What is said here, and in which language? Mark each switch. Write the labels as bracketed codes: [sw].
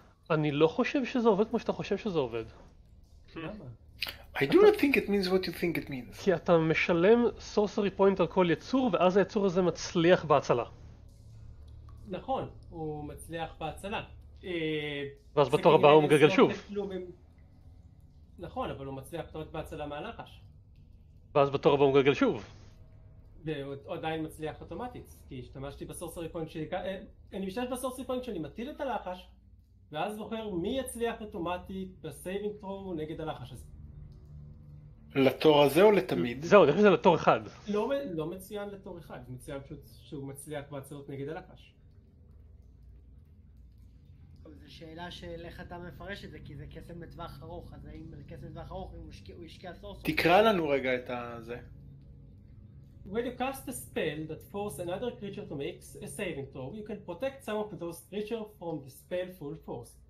[he] אני לא חושב שזה עובד כמו שאתה חושב שזה עובד. למה? [en] I do not think it means what you think it means. [he] כי אתה משלם sorcery point על כל יצור, ואז היצור הזה מצליח בהצלה. נכון, הוא מצליח בהצלה. ואז בתור הבא הוא מגלגל שוב. נכון, אבל הוא מצליח פתאום בהצלה מהלחש. ואז בתור הבא הוא מגלגל שוב. והוא עדיין מצליח אוטומטית, כי השתמשתי בסורסרי פוינט שלי, אני משתמש בסורסרי פוינט שאני מטיל את הלחש, ואז בוחר מי יצליח אוטומטית בסייבינג תרו נגד הלחש הזה. לתור הזה או לתמיד? זהו, אני חושב שזה לתור אחד. לא מצוין לתור אחד, זה מצוין פשוט שהוא מצליח בהצלות נגד הלחש. שאלה של איך אתה מפרש את זה, כי זה קסם בטווח ארוך, אז האם קסם בטווח ארוך הוא ישקיע סורסור? תקרא לנו רגע את זה. [en] When you cast a spell that forces another creature to make a saving throw, you can protect some of those creatures from the spell full force.